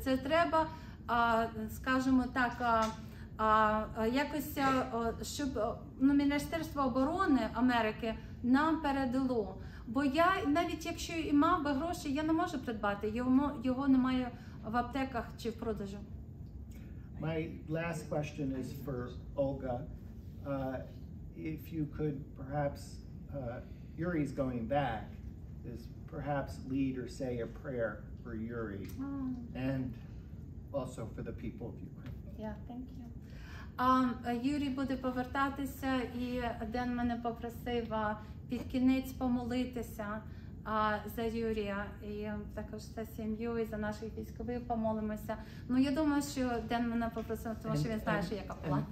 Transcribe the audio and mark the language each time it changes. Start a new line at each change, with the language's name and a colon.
Ukrainian: Це треба, скажімо так, якось, щоб Міністерство оборони Америки нам передало. Бо я, навіть якщо і мав би гроші, я не можу придбати. Його немає в аптеках чи в продажу.
English: My last question is for Olga. If you could perhaps, Yuri's going back, is perhaps lead or say a prayer for Yuri and also for the people of Ukraine. Yeah, thank you.
Ukrainian: Юрій буде повертатися, і Ден мене попросив під кінець помолитися за Юрія і також за сім'ю і за наших військових помолимося. Ну, я думаю, що Ден мене попросив, тому що він знає, що я капелан.